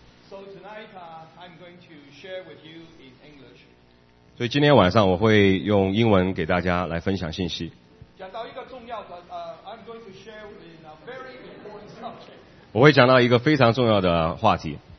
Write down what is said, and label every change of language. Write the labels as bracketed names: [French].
[English] So tonight, I'm going to share with you in English. [Chinese] 所以今天晚上我会用英文给大家来分享信息。讲到一个重要的 [English] I'm going to share with you a very important subject. [Chinese] 我会讲到一个非常重要的话题。